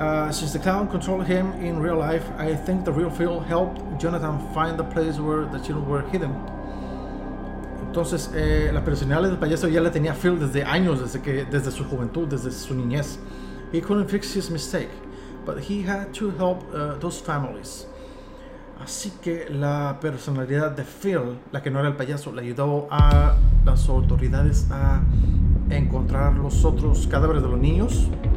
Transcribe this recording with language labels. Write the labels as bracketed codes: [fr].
[en] Since the clown controlled him in real life, I think the real Phil helped Jonathan find the place where the children were hidden. [es] Entonces, la personalidad del payaso ya la tenía Phil desde años, desde su juventud, desde su niñez. [en] He couldn't fix his mistake, but he had to help those families. [es] Así que la personalidad de Phil, la que no era el payaso, le ayudó a las autoridades a encontrar los otros cadáveres de los niños.